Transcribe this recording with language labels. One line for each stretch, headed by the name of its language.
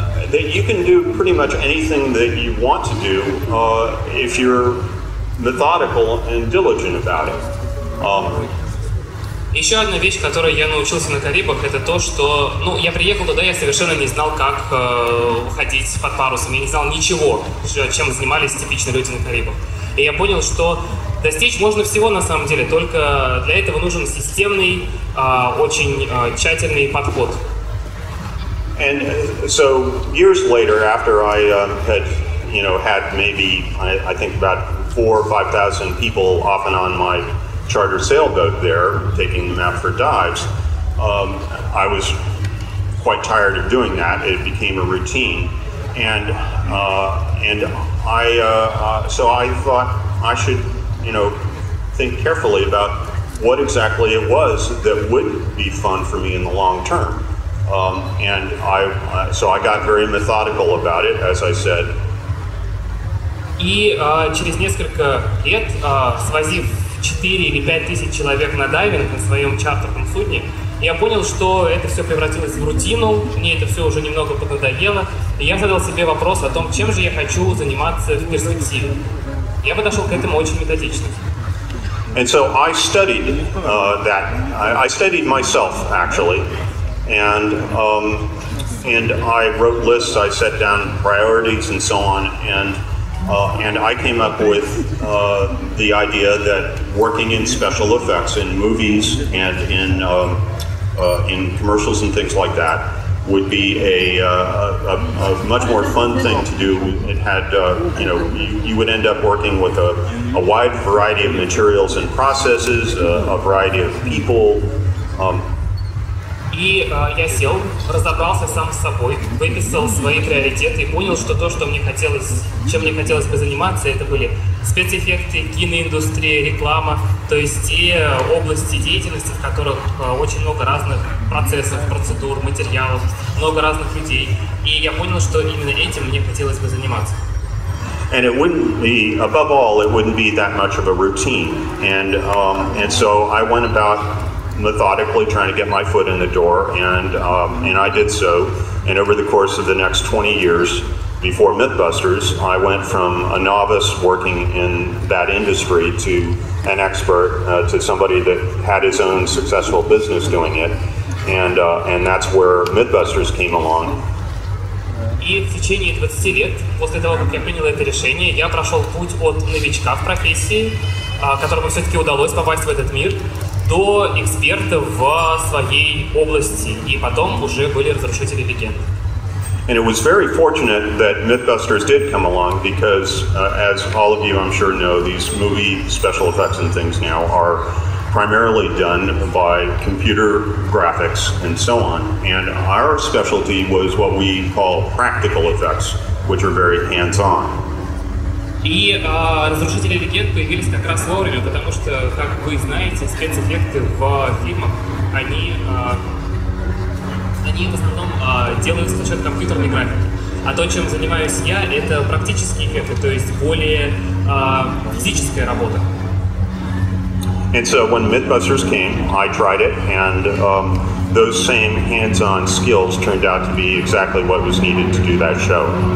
English: that you can do pretty much anything that you want to do if you're methodical and diligent about it.
Russian: Еще одна вещь, которой я научился на Карибах, это то, что, ну, я приехал туда, я совершенно не знал, как ходить под парусом, я не знал ничего, чем занимались типичные люди на Карибах. И я понял, что достичь можно всего на самом деле, только для этого нужен системный, очень тщательный подход.
English: And so years later, after I had, you know, had maybe I think about 4,000 or 5,000 people off and on my charter sailboat there, taking them out for dives, I was quite tired of doing that. It became a routine, and I thought I should, you know, think carefully about what exactly it was that would be fun for me in the long term. So I got very methodical about it, as I said.
Russian: И через несколько лет, свозив
English: 4,000 or 5,000
Russian: человек на дайвинг на своем чартерном судне, я понял, что это все превратилось в рутину, мне это все уже немного поднадоело, и я задал себе вопрос о том, чем же я хочу заниматься в перспективе. Я подошел к этому очень методично.
English: And so I studied that. I studied myself, actually. And I wrote lists, I set down priorities and so on, and I came up with the idea that working in special effects in movies and in commercials and things like that would be a much more fun thing to do. It had, you know, you would end up working with a wide variety of materials and processes, a variety of people.
Russian: И я сел, разобрался сам с собой, выписал свои приоритеты и понял, что то, что мне хотелось, чем мне хотелось бы заниматься, это были спецэффекты, киноиндустрия, реклама, то есть те области деятельности, в которых очень много разных процессов, процедур, материалов, много разных людей. И я понял, что именно этим мне хотелось бы заниматься.
English: And it wouldn't be, above all, it wouldn't be that much of a routine. And so I went about methodically trying to get my foot in the door, and I did so. And over the course of the next 20 years, before MythBusters, I went from a novice working in that industry to an expert, to somebody that had his own successful business doing it, and that's where MythBusters came along.
Russian: И в течение 20 лет, после того, как я принял это решение, я прошел путь от новичка в профессии, которому все-таки удалось попасть в этот мир, до эксперта в своей области, и потом уже были разрушители легенд.
English: And it was very fortunate that MythBusters did come along, because, as all of you, I'm sure, know, these movie special effects and things now are primarily done by computer graphics and so on. And our specialty was what we call practical effects, which are very hands-on.
Russian: И разрушители легенд появились как раз вовремя, потому что, как вы знаете, спецэффекты в фильмах, они в основном делаются за счет компьютерной графики. А то, чем занимаюсь я, это практические эффекты, то есть более физическая работа.
English: And so when MythBusters came, I tried it, and those same hands-on skills turned out to be exactly what was needed to do that show.